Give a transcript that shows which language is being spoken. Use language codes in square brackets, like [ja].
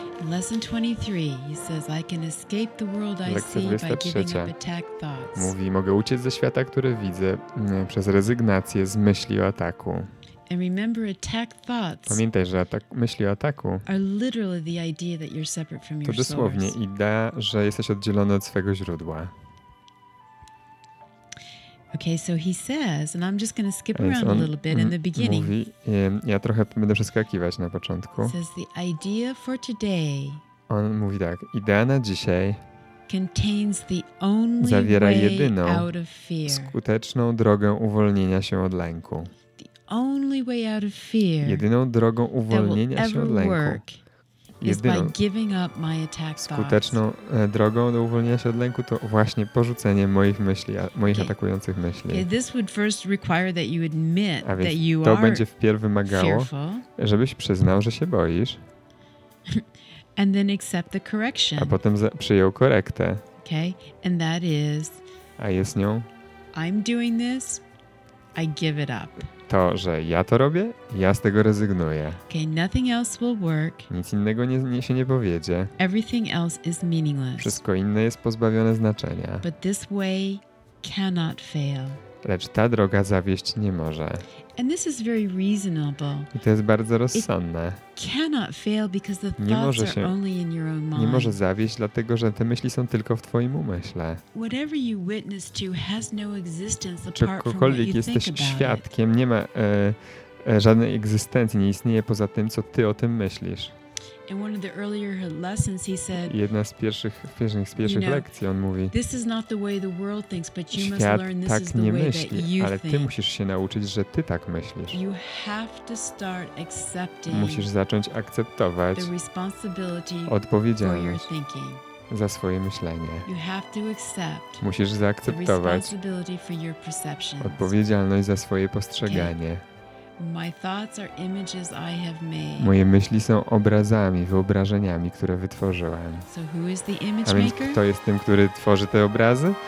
[en] Lesson 23, he says, I can escape the world I see by giving up attack thoughts. [pl] Mówi, mogę uciec ze świata, który widzę, przez rezygnację z myśli o ataku. [en] And remember, attack thoughts. [pl] Pamiętaj, że myśli o ataku [en] are literally the idea that you're separate from your source. [pl] To dosłownie idea, że jesteś oddzielony od swego źródła. [en] Okay, so he says, and I'm just going to skip around a little bit in the beginning. [pl] Mówi, ja trochę będę przeskakiwać na początku. [en] Says the idea for today. [pl] On mówi tak, idea na dzisiaj [en] contains the only [pl] zawiera jedyną [en] way out of fear. [pl] Skuteczną drogę uwolnienia się od lęku. [en] The only way out of fear. [pl] Jedyną drogą uwolnienia [en] that will [pl] się od lęku. [en] Work. [pl] Jedyną [en] giving up my attack [pl] skuteczną [en] thoughts. [pl] Drogą do uwolnienia się od lęku to właśnie porzucenie moich myśli, moich [en] okay. [pl] atakujących myśli. [en] Okay, this would first require that you admit [pl] a więc [en] that you [pl] to [en] are [pl] będzie wpierw wymagało, [en] fearful, [pl] żebyś przyznał, że się boisz. [en] And then accept the correction. [pl] A potem przyjął korektę. [en] Okay, and that is, [pl] a jest nią? [en] I'm doing this, I give it up. [pl] To, że ja to robię, ja z tego rezygnuję. [en] Okay, nothing else will work. [pl] Nic innego się nie powiedzie. [en] Everything else is meaningless. [pl] Wszystko inne jest pozbawione znaczenia. [en] But this way cannot fail. [pl] Lecz ta droga zawieść nie może. [en] And this is very reasonable. [pl] I to jest bardzo rozsądne. [en] It cannot fail because the thoughts are only in your own mind. [pl] Nie może zawieść, dlatego że te myśli są tylko w twoim umyśle. [en] Whatever you witness to has no existence apart from what you think about it. [pl] Czy jesteś świadkiem, nie ma żadnej egzystencji, nie istnieje poza tym, co ty o tym myślisz. [en] In one of the earlier lessons, he said. [pl] Jedna z pierwszych lekcji, on mówi. [en] This is not the way the world thinks, but you must learn this is the way that you think. [pl] Ale ty musisz się nauczyć, że ty tak myślisz. [en] You have to start accepting. [pl] Musisz zacząć akceptować [en] the responsibility [pl] odpowiedzialność [en] for your thinking. [pl] Za swoje myślenie. [en] You have to accept. [pl] Musisz zaakceptować [en] the responsibility for your perceptions. [pl] Odpowiedzialność za swoje postrzeganie. [en] Okay. My thoughts are images I have made. [pl] Moje myśli są obrazami, wyobrażeniami, które wytworzyłem. [en] So who is the image [pl] a więc [en] maker? [pl] Kto jest tym, który tworzy te obrazy?